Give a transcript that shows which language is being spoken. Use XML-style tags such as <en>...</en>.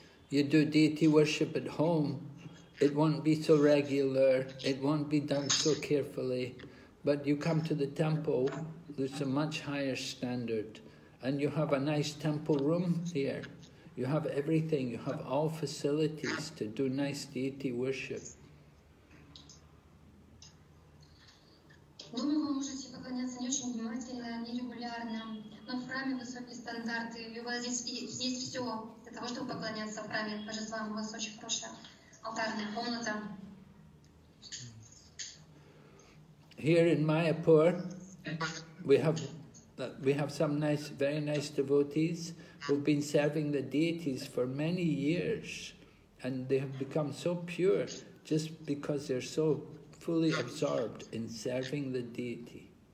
<en>You do deity worship at home, it won't be so regular, it won't be done so carefully, but you come to the temple, there's a much higher standard. And you have a nice temple room here. You have everything, you have all facilities to do nice deity worship.</en> <ru>Думаю, вы можете поклоняться не очень внимательно, нерегулярно, но в храме высокие стандарты, и у вас здесь есть все для того, чтобы поклоняться в храме божествам. У вас очень хорошая алтарная комната.</ru> <en>Here in Mayapur, we have some nice, very nice devotees who've been serving the deities for many years, and they have become so pure just because they're so fully absorbed in serving the deity.</en>